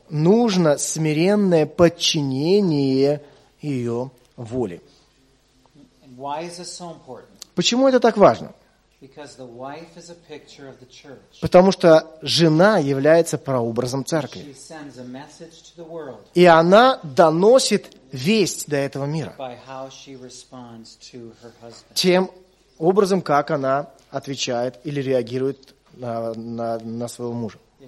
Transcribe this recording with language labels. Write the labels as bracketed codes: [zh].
[ru] Нужно смиренное подчинение ее воле. [en] Why is this so important? [ru] Почему это так важно? [en] Because the wife is a picture of the church. [ru] Потому что жена является прообразом церкви. [en] She sends a message to the world. [ru] И она доносит весть до этого мира. [en] By how she responds to her husband. [ru] Тем образом, как она отвечает или реагирует на своего мужа.